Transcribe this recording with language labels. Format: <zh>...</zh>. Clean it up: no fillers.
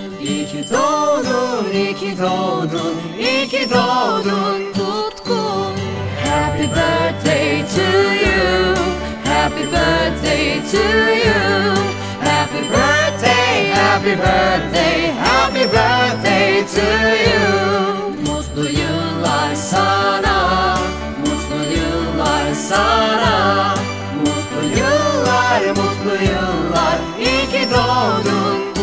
<tr>İyi ki doğdun, iyi ki doğdun, iyi ki doğdun Tutkun.</tr> <en>Happy birthday to you, happy birthday to you, happy birthday, happy birthday, happy birthday to you.</en> <tr>Mutlu yıllar sana, mutlu yıllar sana, mutlu yıllar, mutlu yıllar, iyi ki doğdun.</tr>